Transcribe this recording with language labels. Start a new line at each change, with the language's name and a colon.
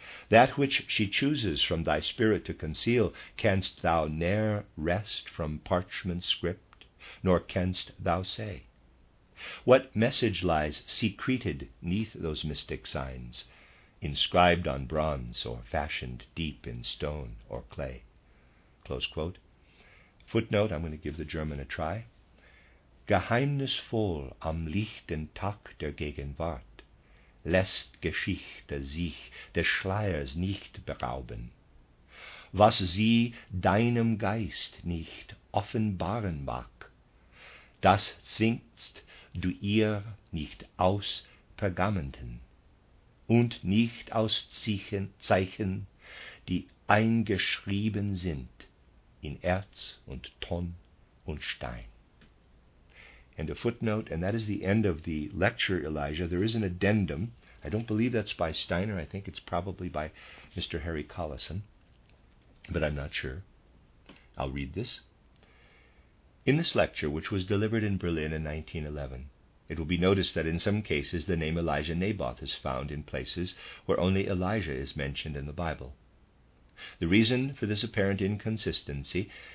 English: That which she chooses from thy spirit to conceal, canst thou ne'er wrest from parchment script, nor canst thou say. What message lies secreted neath those mystic signs, inscribed on bronze or fashioned deep in stone or clay?" Close quote. Footnote, I'm going to give the German a try.
German: "Geheimnisvoll am lichten Tag der Gegenwart lässt Geschichte sich des Schleiers nicht berauben. Was sie deinem Geist nicht offenbaren mag, das zwingst du ihr nicht aus Pergamenten und nicht aus Zeichen, die eingeschrieben sind in Erz und Ton und Stein."
English: And a footnote, and that is the end of the lecture, Elijah. There is an addendum. I don't believe that's by Steiner. I think it's probably by Mr. Harry Collison, but I'm not sure. I'll read this. In this lecture, which was delivered in Berlin in 1911, it will be noticed that in some cases the name Elijah Naboth is found in places where only Elijah is mentioned in the Bible. The reason for this apparent inconsistency